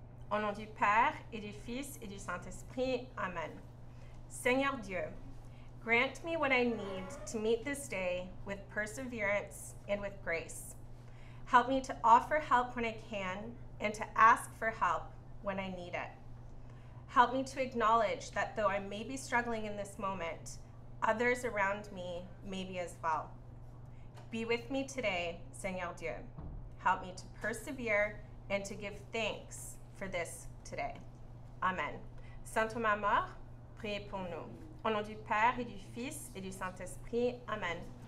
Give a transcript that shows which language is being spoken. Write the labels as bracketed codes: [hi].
[fr] Au nom du Père et du Fils et du Saint-Esprit, Amen. Seigneur Dieu, [en] grant me what I need to meet this day with perseverance and with grace. Help me to offer help when I can and to ask for help when I need it. Help me to acknowledge that though I may be struggling in this moment, others around me maybe as well. Be with me today, [fr] Seigneur Dieu. [en] Help me to persevere and to give thanks for this today. [fr] Amen. Saint Thomas More, priez pour nous. Au nom du Père et du Fils et du Saint-Esprit, Amen.